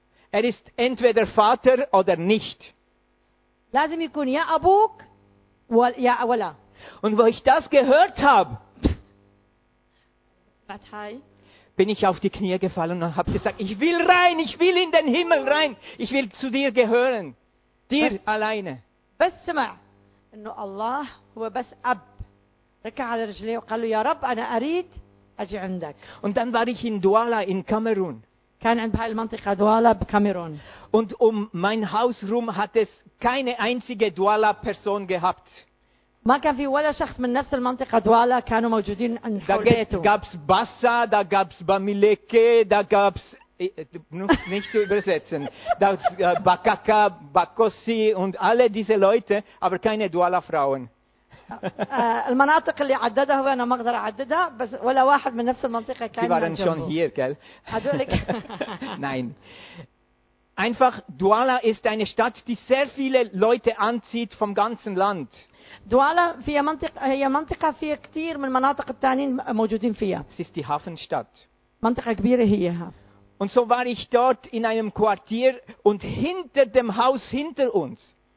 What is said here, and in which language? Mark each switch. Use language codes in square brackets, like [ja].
[de] Er ist entweder Vater oder nicht. [ar] لازم يكون يا أبوك ويا ولا. [de] Und wo ich das gehört habe, bin ich auf die Knie gefallen und habe gesagt, ich will rein, ich will in den Himmel rein. Ich will zu dir gehören. Dir alleine. [ar] بس سمع انه الله هو بس اب ركع على رجليه وقال له يا رب انا اريد اجي عندك. [de] Und dann war ich in Douala in Kamerun. [ar] كان عند هاي المنطقه دوالا بكاميرون. [de] Und mein Haus rum hat es keine einzige Douala Person gehabt. [ar] ما كان في ولا شخص من نفس المنطقه دوالا كانوا موجودين عند حول بيته. [de] Da gab's Bassa, da gab's Bamileke, da gab's nicht zu übersetzen. Das Bakaka, Bakossi und alle diese Leute, aber keine Douala-Frauen. Die waren schon hier, gell? Nein. Einfach, Douala ist eine Stadt, die sehr viele Leute anzieht vom ganzen Land. [ar] Douala هي منطقة فيها كثير من المناطق الثانيين موجودين فيها. [de] Es ist die Hafenstadt. [ar] منطقة كبيرة هي. [de] Und so war ich dort in einem Quartier und hinter dem Haus hinter uns.